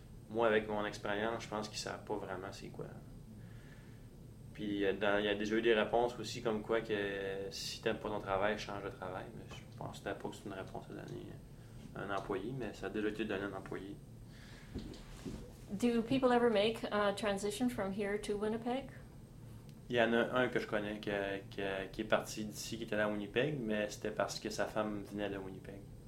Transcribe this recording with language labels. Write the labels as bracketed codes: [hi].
[fr] Moi, avec mon expérience, je pense qu'ils ne savent pas vraiment c'est quoi. Puis il y a déjà eu des réponses aussi comme quoi que si tu n'aimes pas ton travail, change de travail. Mais je pense que pas que c'est une réponse à donner à un employé, mais ça a déjà été donné à un employé. [en] Do people ever make a transition from here to Winnipeg? [fr] Il y en a un que je connais qui est parti d'ici, qui était à Winnipeg, mais c'était parce que sa femme venait de Winnipeg.